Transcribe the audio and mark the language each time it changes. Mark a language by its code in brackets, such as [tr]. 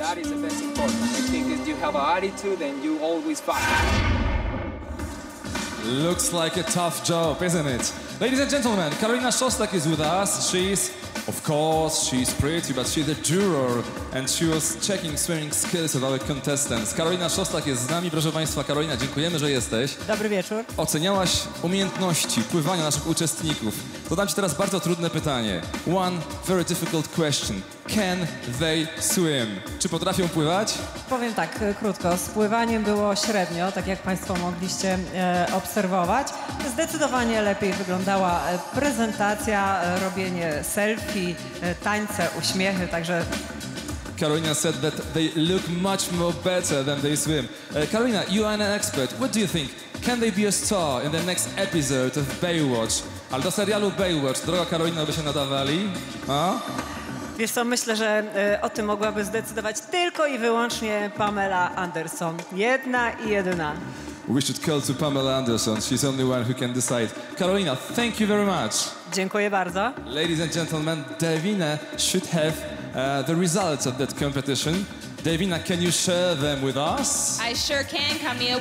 [en] That is the best important. I think if you have an attitude, then you always fight. Looks like a tough job, isn't it? Ladies and gentlemen, Karolina Szostak is with us. She's, of course, she's pretty, but she's a juror and she was checking swimming skills of our contestants. [pl] Karolina Szostak jest z nami, proszę Państwa. Karolina, dziękujemy, że jesteś. Dobry wieczór. Oceniałaś umiejętności pływania naszych uczestników. Zadam Ci teraz bardzo trudne pytanie. [en] One very difficult question. Can they swim? [pl] Czy potrafią pływać? Powiem tak, krótko. Z pływaniem było średnio, tak jak Państwo mogliście obserwować. Zdecydowanie lepiej wyglądała prezentacja, robienie selfie, tańce, uśmiechy, także... [en] Karolina said that they look much more better than they swim. Karolina, you are an expert. What do you think? Can they be a star in the next episode of Baywatch? [pl] Ale do serialu Baywatch, droga Karolina, by się nadawali? A? Wiesz co, myślę, że o tym mogłaby zdecydować tylko i wyłącznie Pamela Anderson. Jedna i jedyna. [en] We should call to Pamela Anderson. She's the only one who can decide. Karolina, thank you very much. [pl] Dziękuję bardzo. [en] Ladies and gentlemen, Davina should have the results of that competition. Davina, can you share them with us? I sure can, Camille.